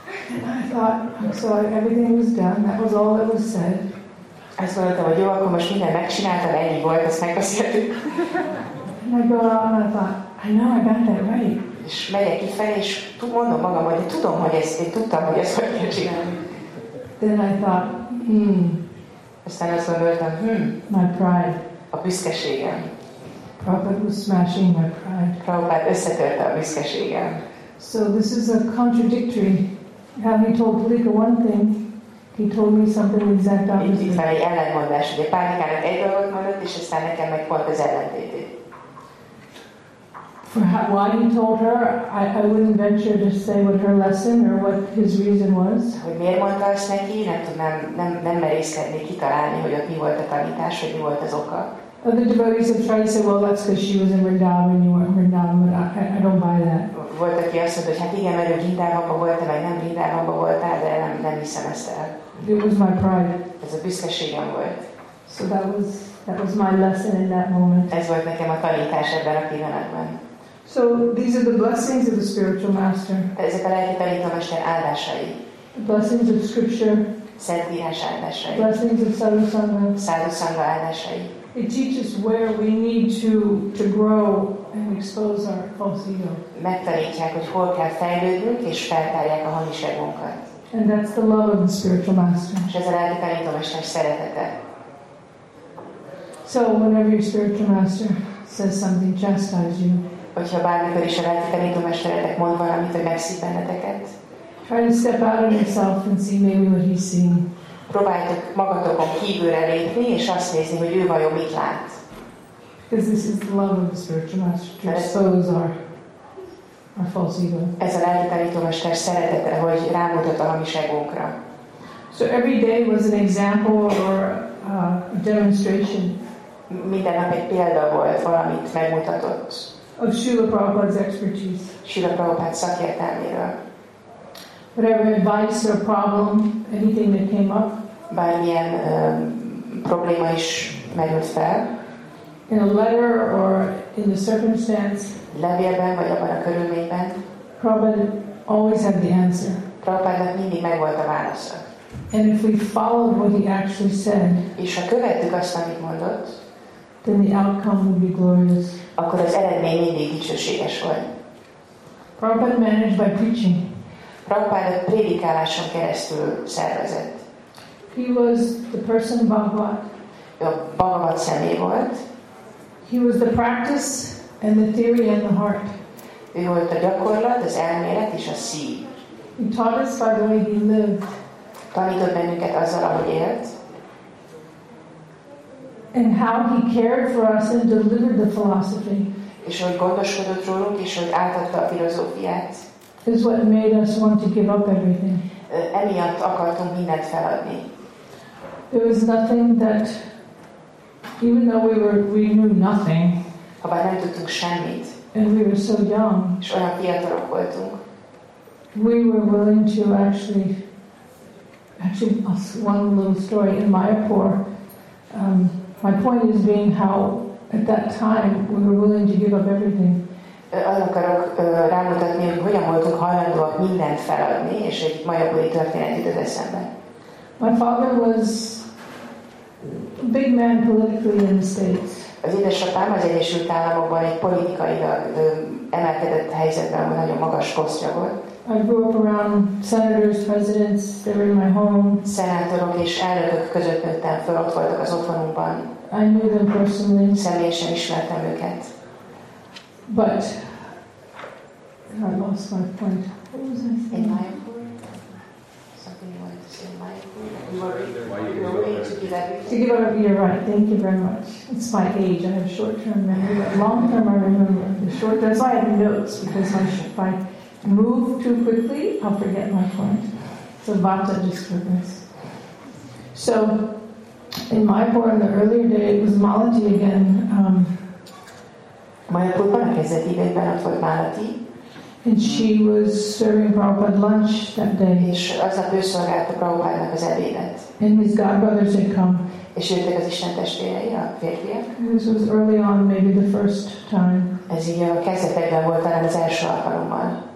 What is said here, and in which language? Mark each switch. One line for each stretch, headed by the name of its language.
English: And I thought, so everything was done. That was all that was said. I thought, well,
Hungarian: jó, akkor most minden megcsináltam, ennyi volt, ezt megbeszéltük.
English: And I got up and I thought, I know I got that right.
Hungarian: És megyek kifelé, és mondom magam, hogy tudom, hogy ezt, én tudtam, hogy ezt hogy kell csinálni.
English: Then I thought,
Hungarian: Aztán azt gondoltam,
English: My pride.
Hungarian: A büszkeségem.
English: Prabhupád was smashing my pride.
Hungarian: Prabhupád összetörte a büszkeségem.
English: So this is a contradictory. Having told Pulika one thing, he told me something exact opposite.
Hungarian: Itt van egy ellentmondás, hogy a Pálikának egy dolgot mondott, és aztán nekem meg pont az ellentétét.
English: Why he told her, I wouldn't venture to say what her lesson or what his reason was.
Hungarian: Hogy miért mondta ezt neki, nem merészkednék kitalálni, hogy ott mi volt a tanítás, hogy mi volt az oka.
English: Other devotees have tried to say, well, that's because she was in Vrindavan, you weren't in Vrindavan, but I don't buy that.
Hungarian: Volt, aki azt mondta, hogy hát igen, mert ő Vrindavanban voltál, vagy nem Vrindavanban voltál, de nem hiszem ezt el.
English: It was my pride.
Hungarian: Ez a büszkeségem volt.
English: So that was my lesson in that moment.
Hungarian: Ez volt nekem a tanítás ebben a pillanatban.
English: So these are the blessings of the spiritual master.
Hungarian: Ezek a lelki tanító mester áldásai.
English: The blessings of scripture.
Hungarian: Szentírás áldásai.
English: Blessings of sadhu sangha.
Hungarian: Sadhu sangha áldásai.
English: It teaches where we need to grow and expose our false ego.
Hungarian: Megtanítják, hogy hol kell fejlődnünk, és feltárják a hamis egónkat.
English: And that's the love of the spiritual master.
Hungarian: És ez a lelki tanító mester szeretete.
English: So whenever your spiritual master says something, chastise you.
Hungarian: Hogyha bármikor is a lelki tanító mesteretek mond valamit, hogy megszív benneteket.
English: Try to step out of yourself and see maybe what he's seeing.
Hungarian: Próbáljátok magatokon kívülre lépni, és azt nézni, hogy ő vajon mit lát.
English: Because this is the love of the spiritual master, to expose our false ego.
Hungarian: Ez a lelki tanító mester szeretete, hogy rámutat a hamis egónkra.
English: So every day was an example or a demonstration.
Hungarian: Minden nap egy példa volt, valamit megmutatott.
English: Of Srila Prabhupada's expertise.
Hungarian: Srila Prabhupada szakértelméről.
English: Whatever advice or problem, anything that came up.
Hungarian: Bármilyen probléma is merült fel.
English: In a letter or in the circumstance.
Hungarian: Levélben vagy abban a körülményben.
English: Prabhupada always had the answer.
Hungarian: Prabhupada mindig megvolt a válasza.
English: And if we followed what he actually said.
Hungarian: És ha követtük azt, amit mondott.
English: Then the outcome would be glorious.
Hungarian: Akkor az eredmény mindig dicsőséges volt.
English: Prabhupada managed by preaching.
Hungarian: Prabhupada prédikáláson keresztül szervezett.
English: He was the person Bhagavat.
Hungarian: Ő a Bhagavat személy volt.
English: He was the practice and the theory and the heart.
Hungarian: Ő volt a gyakorlat, az elmélet és a szív.
English: He taught us by the way he lived.
Hungarian: Tanított bennünket azzal, ahogy élt.
English: And how he cared for us and delivered the philosophy.
Hungarian: És hogy gondoskodott rólunk, és hogy átadta a filozófiát.
English: Is what made us want to give up everything.
Hungarian: Emiatt akartunk mindent feladni.
English: There was nothing that, even though we knew nothing.
Hungarian: Habár nem tudtunk semmit.
English: And we were so young.
Hungarian: És olyan fiatalok voltunk.
English: We were willing to actually one little story in Mayapur. My point is being how at that time we were willing to give up everything.
Hungarian: Arra akarok rámutatni, hogy hogyan voltunk hajlandóak mindent feladni, és egy mayapuri történet jutott eszembe.
English: My father was a big man politically in the States.
Hungarian: Az édesapám az Egyesült Államokban egy politikai emelkedett helyzetben nagyon magas posztja volt.
English: I grew up around senators, presidents, they were in my home.
Hungarian: Szenátorok és elnökök között nőttem föl, ott voltak az otthonunkban.
English: I knew them personally.
Hungarian: Személyesen ismertem őket.
English: But I lost my point. What was I saying? In Mayapur? Something you wanted to say in Mayapur? You were willing to give everything. To give up, you're right. Thank you very much. It's my age. I have short-term memory, but long-term I remember. The short, that's why I have notes, because if I move too quickly, I'll forget my point. It's a vata disturbance. So in Mayapur in the earlier day, it was Malati again.
Hungarian: Mayapurban a kezdeti években ott volt Malati.
English: And she was serving Prabhupada lunch that day.
Hungarian: És az a főszolgálta Prabhupádnak az ebédet.
English: And his godbrothers had come.
Hungarian: És jöttek az Isten testvérei, a férfiak.
English: This was early on, maybe the first time.
Hungarian: Ez így a kezdetekben volt, talán az első alkalommal.